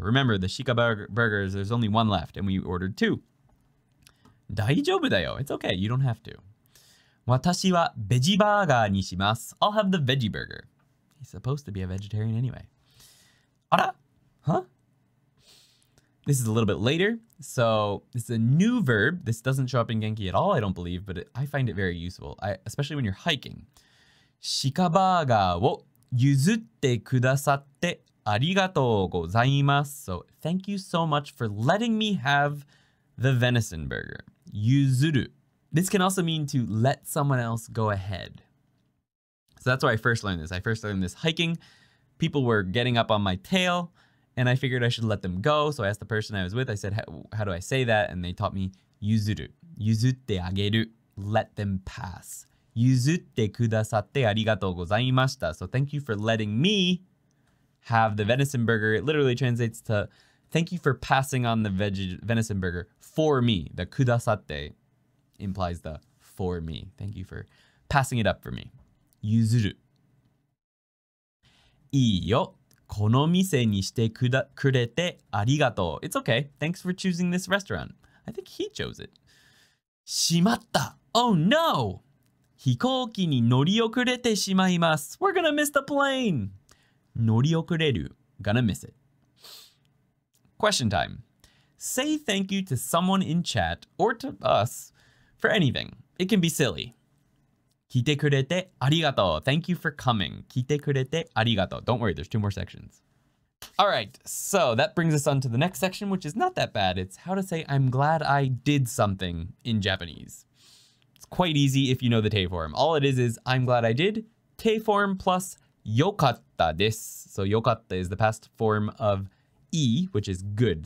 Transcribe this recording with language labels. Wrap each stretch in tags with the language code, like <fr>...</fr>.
<en>Remember, the Shika burgers, there's only one left, and we ordered two.</en> <ja>大丈夫だよ。</ja> <en>It's okay, you don't have to.</en> <ja>私はベジバーガーにします。</ja> <en>I'll have the veggie burger. He's supposed to be a vegetarian anyway.</en> <ja>あら?</ja> <en>Huh? This is a little bit later, so it's a new verb. This doesn't show up in Genki at all, I don't believe, but I find it very useful, especially when you're hiking.</en> <ja>Shika バーガーを譲ってくださってありがとうございます。</ja> <en>So, thank you so much for letting me have the venison burger.</en> <ja>譲る。</ja> <en>This can also mean to let someone else go ahead. So that's where I first learned this. I first learned this hiking. People were getting up on my tail, and I figured I should let them go. So I asked the person I was with, I said, how do I say that? And they taught me 譲る。</en> <ja>譲ってあげる。</ja> <en>Let them pass.</en> <ja>譲ってくださってありがとうございました。</ja> <en>So thank you for letting me have the venison burger. It literally translates to thank you for passing on the venison burger for me. The くださって implies the for me. Thank you for passing it up for me.</en> <ja>譲る。いいよ。この店にしてくれてありがとう。</ja> <en>It's okay. Thanks for choosing this restaurant. I think he chose it.</en> <ja>しまった。</ja> <en>Oh no!</en> <ja>飛行機に乗り遅れてしまいます。</ja> <en>We're gonna miss the plane! 乗り遅れる。Gonna miss it. Question time. Say thank you to someone in chat, or to us, for anything. It can be silly.</en> <ja>来てくれてありがとう。</ja> <en>Thank you for coming.</en> <ja>来てくれてありがとう。</ja> <en>Don't worry, there's two more sections. Alright, so that brings us on to the next section, which is not that bad. It's how to say I'm glad I did something in Japanese. Quite easy if you know the te form. All it is I'm glad I did. Te form plus yokatta desu. So yokatta is the past form of e, which is good.</en>